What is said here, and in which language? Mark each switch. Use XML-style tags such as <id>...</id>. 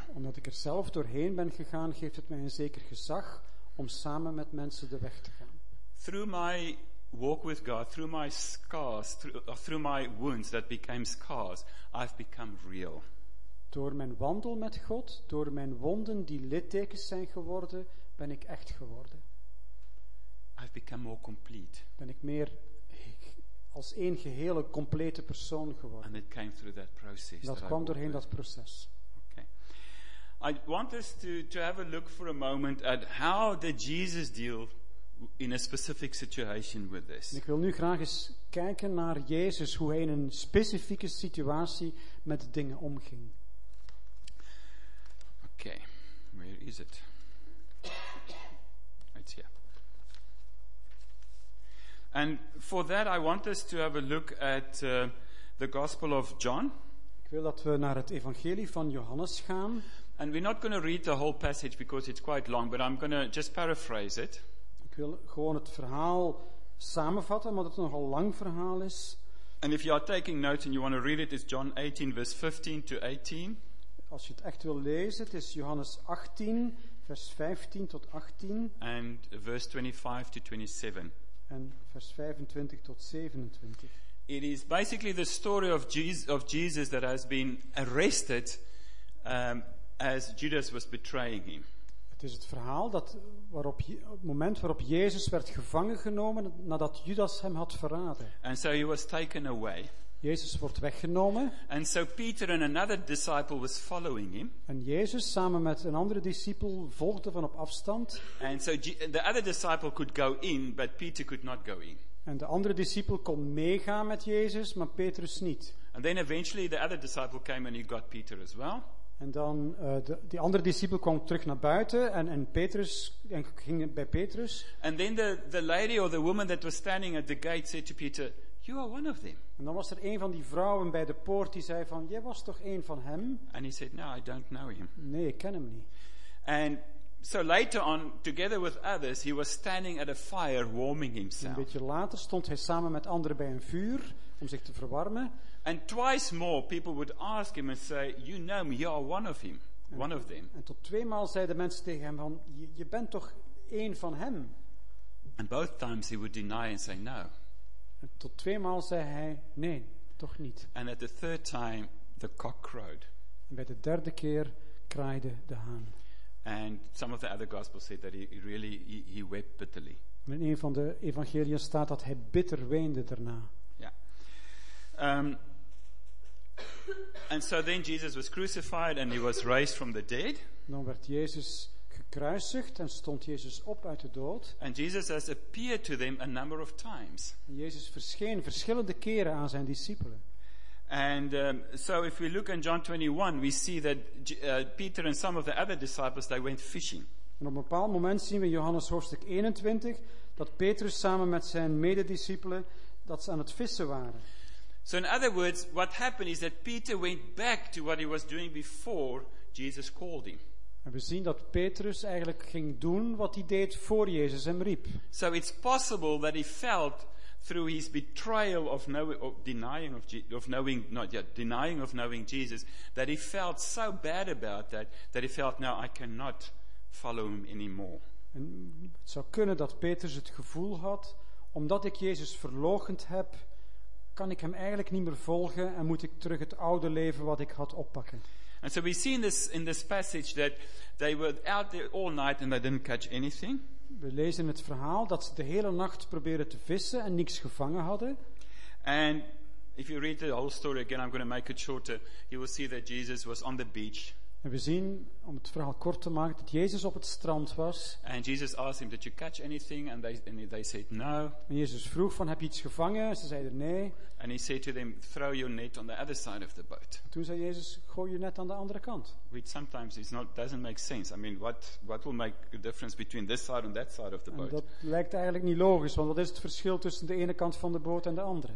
<nl>Omdat ik er zelf doorheen ben gegaan, geeft het mij een zeker gezag om samen met mensen de weg te gaan.</nl> <en>Through my walk with God, through my scars, through my wounds that became scars, I've become real.</en> <nl>Door mijn wandel met God, door mijn wonden die littekens zijn geworden, ben ik echt geworden.</nl> <en>I've become more complete.</en> <nl>Ben ik meer als één gehele complete persoon geworden.</nl> <en>And it came through that process.</en> <nl>Dat kwam doorheen dat proces.</nl> <en>Okay. I want us to have a look for a moment at how did Jesus deal in a specific situation with this.</en> <nl>Ik wil nu graag eens kijken naar Jezus, hoe hij in een specifieke situatie met dingen omging.</nl> <en>Okay. Where is it? It's here. And for that I want us to have a look at the Gospel of John.</en> <nl>Ik wil dat we naar het Evangelie van Johannes gaan.</nl> <en>And we're not going to read the whole passage because it's quite long, but I'm going to just paraphrase it.</en> <nl>Ik wil gewoon het verhaal samenvatten, omdat het een nogal lang verhaal is.</nl> <en>And if you are taking notes and you want to read it, it's John 18 verse 15 to 18.</en> <nl>Als je het echt wil lezen, het is Johannes 18 vers 15 tot 18.</nl> <en>And verse 25 to 27.</en> <nl>En vers 25 tot 27.</nl> <en>It is basically the story of Jesus that has been arrested as Judas was betraying him.</en> <nl>Het is het verhaal dat waarop op het moment waarop Jezus werd gevangen genomen nadat Judas hem had verraden.</nl> <en>And so he was taken away.</en> <nl>Jezus wordt weggenomen.</nl> <en>And so Peter and another disciple was following him.</en> <nl>En Jezus samen met een andere discipel volgde van op afstand.</nl> <en>And so the other disciple could go in, but Peter could not go in.</en> <nl>En de andere discipel kon meegaan met Jezus, maar Petrus niet.</nl> <en>And then eventually the other disciple came and he got Peter as well.</en> <nl>En dan die andere discipel kwam terug naar buiten en Petrus en ging bij Petrus.</nl> <en>And then the lady or the woman that was standing at the gate said to Peter, "You are one of them."</en> <nl>En dan was er een van die vrouwen bij de poort die zei van, jij was toch een van hem?</nl> <en>And he said, "No, I don't know him."</en> <nl>Nee, ik ken hem niet.</nl> <en>And so later on, together with others, he was standing at a fire warming himself.</en> <nl>Een beetje later stond hij samen met anderen bij een vuur om zich te verwarmen.</nl> <en>And twice more people would ask him and say, "You know me, you are one of him, one of them."</en> <nl>En tot twee maal zeiden mensen tegen hem van, je bent toch één van hem?</nl> <en>And both times he would deny and say no.</en> <nl>En tot twee maal zei hij nee, toch niet.</nl> <en>And at the third time the cock crowed.</en> <nl>En bij de derde keer kraaide de haan.</nl> <en>And some of the other gospels said that he really wept bitterly.</en> <nl>En in een van de evangeliën staat dat hij bitter weende daarna.</nl> <en>And so then Jesus was crucified and he was raised from the dead.</en> <nl>Dan werd Jezus gekruisigd en stond Jezus op uit de dood.</nl> <en>And Jesus has appeared to them a number of times.</en> <nl>Jezus verscheen verschillende keren aan zijn discipelen.</nl> <en>And so if we look in John 21 we see that Peter and some of the other disciples they went fishing.</en> <nl>En op een bepaald moment zien we in Johannes hoofdstuk 21 dat Petrus samen met zijn medediscipelen dat ze aan het vissen waren.</nl> <en>So in other words, what happened is that Peter went back to what he was doing before Jesus called him.</en> <nl>En we zien dat Petrus eigenlijk ging doen wat hij deed voor Jezus hem riep.</nl> <en>So it's possible that he felt through his betrayal of denying of knowing Jesus that he felt so bad about that he felt, "Now I cannot follow him anymore."</en> <nl>En het zou kunnen dat Petrus het gevoel had, omdat ik Jezus verloochend heb, kan ik hem eigenlijk niet meer volgen en moet ik terug het oude leven wat ik had oppakken.</nl> <en>And so we see in this passage that they were out there all night and they didn't catch anything.</en> <nl>We lezen het verhaal dat ze de hele nacht probeerden te vissen en niks gevangen hadden.</nl> <en>And if you read the whole story again, I'm going to make it shorter. You will see that Jesus was on the beach.</en> <nl>En we zien, om het verhaal kort te maken, dat Jezus op het strand was.</nl> <en>And Jesus asked him, "Did you catch anything?" And they said, "No."</en> <nl>En Jezus vroeg van, "Heb je iets gevangen?" Ze zeiden nee.</nl> <en>And he said to them, "Throw your net on the other side of the boat."</en> <nl>En toen zei Jezus, "Gooi je net aan de andere kant."</nl> <en>Which sometimes doesn't make sense. I mean, what will make a difference between this side and that side of the boat?</en> <nl>En dat lijkt eigenlijk niet logisch, want wat is het verschil tussen de ene kant van de boot en de andere?</nl>